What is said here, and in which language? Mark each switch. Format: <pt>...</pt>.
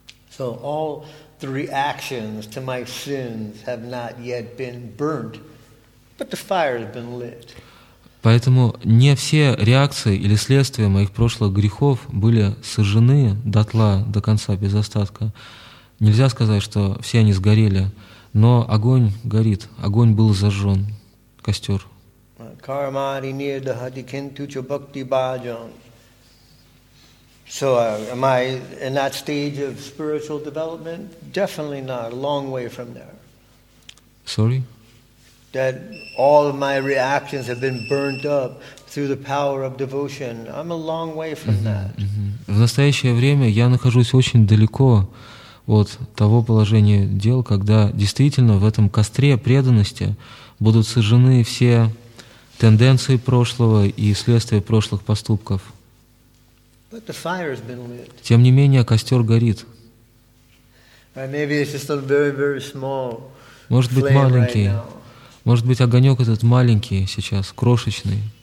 <en>So all the reactions to my sins have not yet been burnt. But the fire has been lit.</en> <ru>Поэтому не все реакции или следствия моих прошлых грехов были сожжены дотла, до конца, без остатка. Нельзя сказать, что все они сгорели, но огонь горит, огонь был зажжен, костер.</ru> <sa>Кармади нирдахати кентуча бхакти бхаджан.</sa> <en>So am I in that stage of spiritual development? Definitely not, a long way from there. Sorry? That all of my reactions have been burnt up through the power of devotion. I'm a long way from that.</en> <ru>В настоящее время я нахожусь очень далеко от того положения дел, когда действительно в этом костре преданности будут сожжены все тенденции прошлого и следствия прошлых поступков.</ru> <en>But the fire has been lit.</en> <ru>Тем не менее, костер горит.</ru> <en>Right, maybe it's just a very, very small flame.</en> <ru>Может быть, маленький.</ru> <en>Right now.</en> <ru>Может быть, огонек этот маленький сейчас, крошечный.</ru>